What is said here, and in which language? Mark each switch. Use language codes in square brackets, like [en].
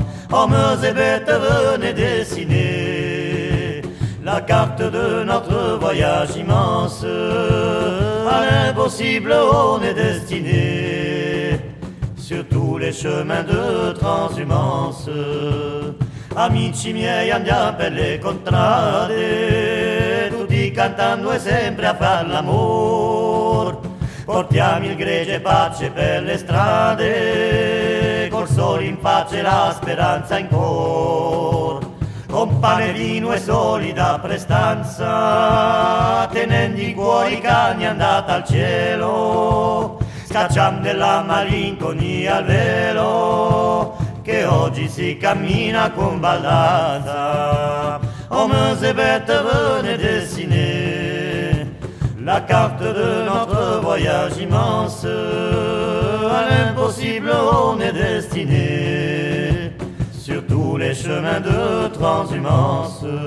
[fr] Hommes et bêtes, venez dessiner la carte de notre voyage immense. À l'impossible, on est destiné, sur tous les chemins de transhumance. [it] Amici miei, andiamo per le contrade, tutti cantando e sempre a far l'amor. Portiamo il gregge pace per le strade, col sole in pace la speranza in cor. Con pane, vino e solida prestanza, tenendo i cuori cani andata al cielo. Cacciam della malinconia al velo, che oggi si cammina con baldanza. [fr] Hommes et bêtes, venez dessiner la carte de notre voyage immense. À l'impossible, on est destiné, sur tous les chemins de transhumance.